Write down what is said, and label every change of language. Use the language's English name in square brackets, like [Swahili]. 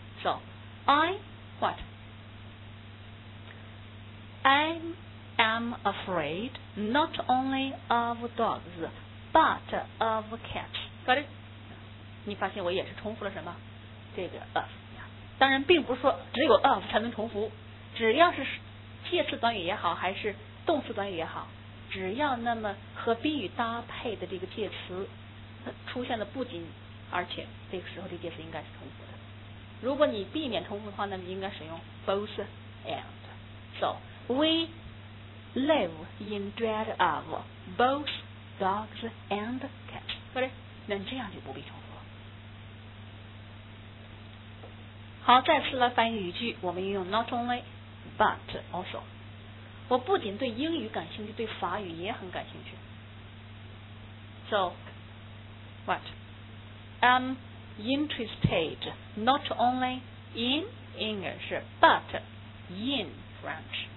[English] So I what I'm afraid not only of dogs but of cats. Got it? [Chinese] 你发现我也是重复了什么？这个 of。当然并不是说只有 of 才能重复，只要是介词短语也好还是动词短语也好，只要那么和宾语搭配的这个介词出现了不仅，而且这个时候的介词应该是重复的。如果你避免重复的话，那么应该使用 both and。 [English] So weLive in dread of both dogs and cats. Got it? [Chinese] 那这样就不必重复。好，再次来翻译语句，我们运用 not only but also。我不仅对英语感兴趣，对法语也很感兴趣。 [English] So what? I'm interested not only in English but in French.